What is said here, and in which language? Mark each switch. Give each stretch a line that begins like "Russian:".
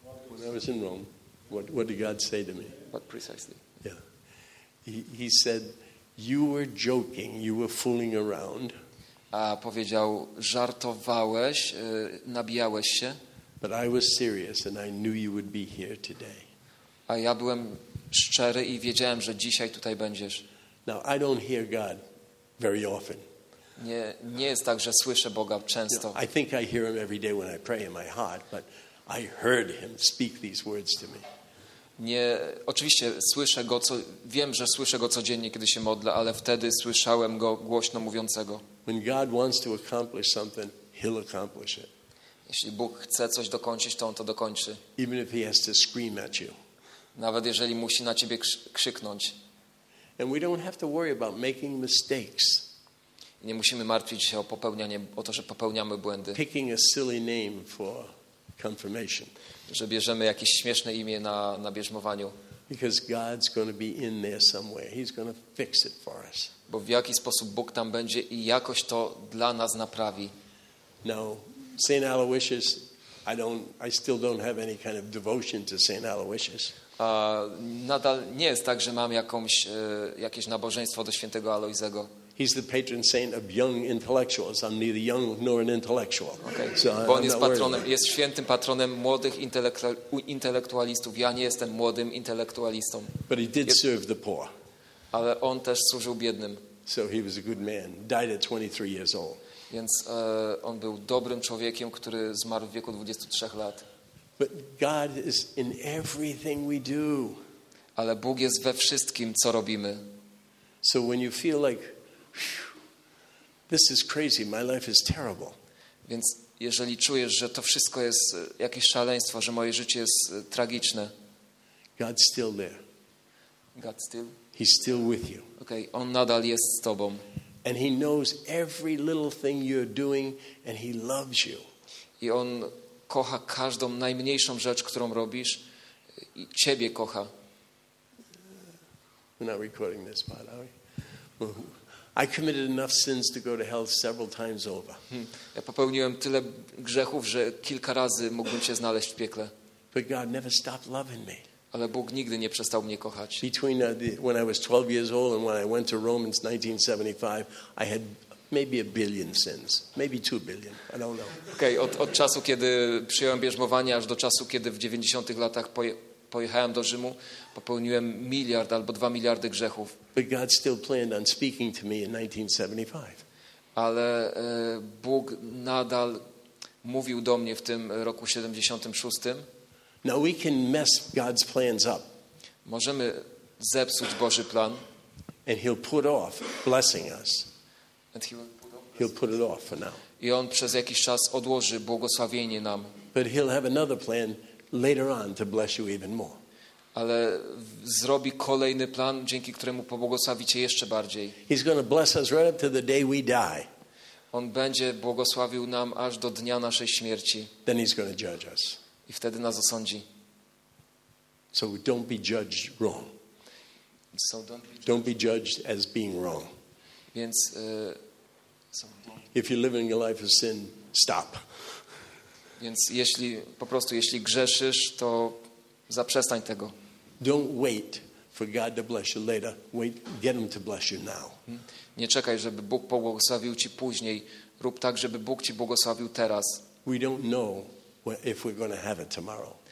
English: When I was in Rome, what did God say to me? What precisely? Yeah. He said, you were joking, you were fooling around.
Polish: A powiedział, żartowałeś, nabijałeś się.
English: But I was serious and I knew you would be here today.
Polish: A ja byłem szczery i wiedziałem, że dzisiaj tutaj będziesz.
English: Now I don't hear God very often.
Polish: Nie jest tak, że słyszę Boga często.
English: I think I hear him every day when I pray in my heart, but I heard him speak these words to me.
Polish: Nie, oczywiście słyszę go, wiem, że słyszę go codziennie, kiedy się modlę, ale wtedy słyszałem go głośno mówiącego.
English: When God wants to accomplish something, he'll accomplish it.
Polish: Jeśli Bóg chce coś dokończyć, to on to dokończy.
English: Even if he has to scream at you.
Polish: Nawet jeżeli musi na ciebie krzyknąć.
English: And we don't have to worry about making mistakes.
Polish: Nie musimy martwić się o to, że popełniamy błędy.
English: Picking a silly name for confirmation.
Polish: Że bierzemy jakieś śmieszne imię na bierzmowaniu.
English: Because God's going to be in there somewhere. He's going to fix it for us.
Polish: Bo w jaki sposób Bóg tam będzie i jakoś to dla nas naprawi.
English: No, St. Aloysius, I still don't have any kind of devotion to St. Aloysius.
Polish: Nadal nie jest tak, że mam jakieś nabożeństwo do świętego Aloizego.
English: He's the patron saint of young intellectuals. I'm neither young nor an intellectual. Okay.
Polish: So bo on jest świętym patronem młodych intelektualistów. Ja nie jestem młodym intelektualistą.
English: But he did serve the poor.
Polish: Ale on też służył biednym.
English: So he was a good man. Died at 23 years old.
Polish: Więc on był dobrym człowiekiem, który zmarł w wieku 23 lat.
English: But God is in everything we do.
Polish: Ale Bóg jest we wszystkim, co robimy.
English: So when you feel like this is crazy, my life is terrible.
Polish: Więc jeżeli czujesz, że to wszystko jest jakieś szaleństwo, że moje życie jest tragiczne.
English: God's still there. God's still. He's still with you.
Polish: Okay, on nadal jest z tobą.
English: And he knows every little thing you're doing and he loves you.
Polish: I on kocha każdą najmniejszą rzecz, którą robisz i ciebie kocha.
English: We're not recording this part, are we? I committed enough sins to go to hell several times over.
Polish: Ja popełniłem tyle grzechów, że kilka razy mógłbym cię znaleźć w piekle.
English: But God never stopped loving me.
Polish: Ale Bóg nigdy nie przestał mnie kochać.
English: Between when I was 12 years old and when I went to Rome in 1975, I had maybe a billion sins, maybe 2 billion. I don't know.
Polish: Okay, od czasu kiedy przyjąłem bierzmowanie, aż do czasu kiedy w 90-tych latach pojechałem do Rzymu, popełniłem miliard albo 2 miliardy grzechów.
English: But God still planned on speaking to me in 1975.
Polish: Ale Bóg nadal mówił do mnie w tym roku 76.
English: Now we can mess God's plans up.
Polish: Możemy zepsuć Boży plan.
English: And he'll put off blessing us. And he'll put it off for now.
Polish: I on przez jakiś czas odłoży błogosławienie nam.
English: But he'll have another plan later on to bless you even more.
Polish: Ale zrobi kolejny plan, dzięki któremu pobłogosławi cię jeszcze bardziej.
English: He's going to bless us right up to the day we die.
Polish: On będzie błogosławił nam aż do dnia naszej śmierci.
English: Then he's going to judge us.
Polish: I wtedy nas osądzi.
English: So don't be judged wrong. So don't be judged. Don't be judged as being wrong.
Polish: Więc
English: if you're living your life of sin, stop.
Polish: Więc jeśli po prostu jeśli grzeszysz, to zaprzestań tego.
English: Don't wait for God to bless you later. Wait, get him to bless you now.
Polish: Nie czekaj, żeby Bóg błogosławił ci później. Rób tak, żeby Bóg ci błogosławił teraz.
English: We don't know if we're going to have it tomorrow.